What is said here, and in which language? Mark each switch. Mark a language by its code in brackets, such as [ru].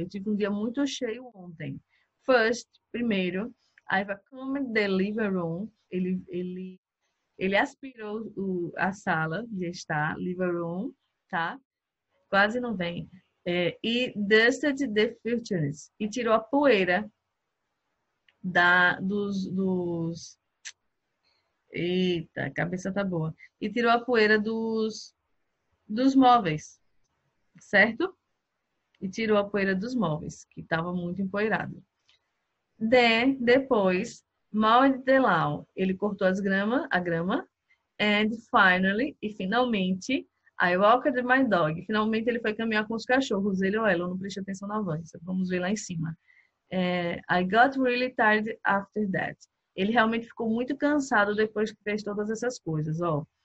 [pt] Eu tive um dia muito cheio ontem. [en] First, [pt] primeiro, [en] I vacuumed the living room. [pt] Ele aspirou a sala de estar, living room, tá? Quase não vem. E [en] dusted the furniture. [pt] E tirou a poeira dos Eita, a cabeça tá boa. E tirou a poeira dos móveis, certo? E tirou a poeira dos móveis, que estava muito empoeirado. Depois, [en] mowed the lawn. [pt] Ele cortou a grama. [en] And finally, [pt] e finalmente, [en] I walked my dog. [pt] Finalmente ele foi caminhar com os cachorros, ele ou ela. Eu não prestei atenção na voz. Vamos ver lá em cima. [en] I got really tired after that. [pt] Ele realmente ficou muito cansado depois que fez todas essas coisas, ó.